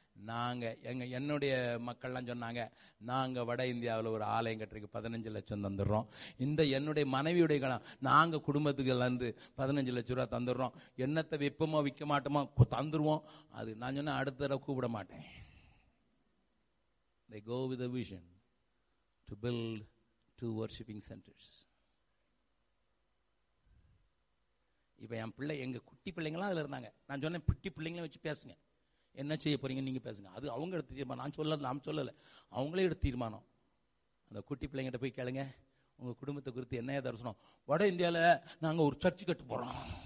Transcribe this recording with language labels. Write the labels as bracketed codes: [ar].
[ta] நாங்க எங்க என்னுடைய மக்கள்லாம் சொன்னாங்க, நாங்க வட இந்தியாவில் ஒரு ஆலயம் கட்டுறதுக்கு 15 லட்சம் தந்துடுறோம். இந்த என்னுடைய மனைவியுடைய நாங்க குடும்பத்துக்குலேருந்து 15 லட்சம் ரூபா தந்துடுறோம். என்னத்தை வெப்பமோ விற்க மாட்டோமோ தந்துடுவோம். அது நான் சொன்னால் அடுத்த தடவை கூப்பிட மாட்டேன். [en] They go with a vision to build 2 worshiping centers. [ta] இப்ப என் பிள்ளை எங்க குட்டி பிள்ளைங்களாம் அதுல இருந்தாங்க. நான் சொன்னேன் குட்டி பிள்ளைங்களும் வச்சு பேசுங்க, என்ன செய்ய போறீங்க நீங்க பேசுங்க, அது அவங்க எடுத்து தீர்மானம். நான் சொல்லல, அவங்களே எடுத்து தீர்மானம். அந்த குட்டி பிள்ளைங்கிட்ட போய் கேளுங்க, உங்க குடும்பத்தை குறித்து என்ன தரிசனம், வட இந்தியாவில் நாங்க ஒரு சர்ச் கட்டு போறோம்.